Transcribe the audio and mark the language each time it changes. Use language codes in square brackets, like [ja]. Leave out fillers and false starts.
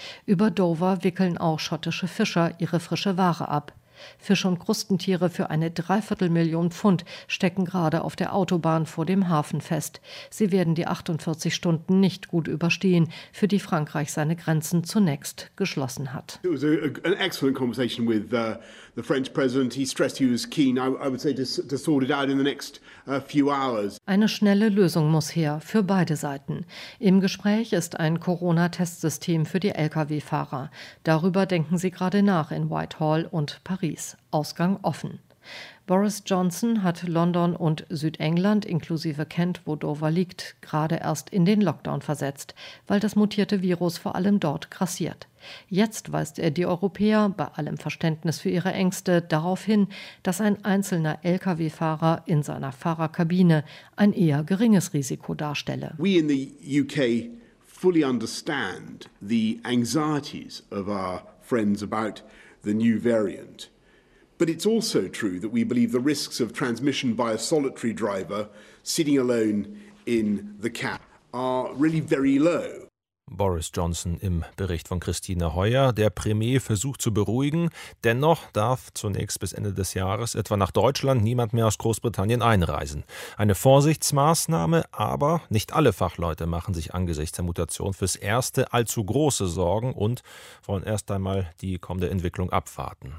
[de] Über Dover wickeln auch schottische Fischer ihre frische Ware ab. Fische und Krustentiere für eine 750.000 Pfund stecken gerade auf der Autobahn vor dem Hafen fest. Sie werden die 48 Stunden nicht gut überstehen, für die Frankreich seine Grenzen zunächst geschlossen hat. [en] It was an excellent conversation with the French president. He stressed he was keen, I would say, to sort it out in the next few hours. [de] Eine schnelle Lösung muss her, für beide Seiten. Im Gespräch ist ein Corona-Testsystem für die Lkw-Fahrer. Darüber denken sie gerade nach in Whitehall und Paris. Ausgang offen. Boris Johnson hat London und Südengland inklusive Kent, wo Dover liegt, gerade erst in den Lockdown versetzt, weil das mutierte Virus vor allem dort grassiert. Jetzt weist er die Europäer, bei allem Verständnis für ihre Ängste, darauf hin, dass ein einzelner Lkw-Fahrer in seiner Fahrerkabine ein eher geringes Risiko darstelle. [en] We in the UK fully understand the anxieties of our friends about the new variant. But it's also true that we believe the risks of transmission by a solitary driver sitting alone in the cab are really very low. [de] Boris Johnson im Bericht von Christine Heuer. Der Premier versucht zu beruhigen. Dennoch darf zunächst bis Ende des Jahres etwa nach Deutschland niemand mehr aus Großbritannien einreisen. Eine Vorsichtsmaßnahme, aber nicht alle Fachleute machen sich angesichts der Mutation fürs Erste allzu große Sorgen und wollen erst einmal die kommende Entwicklung abwarten.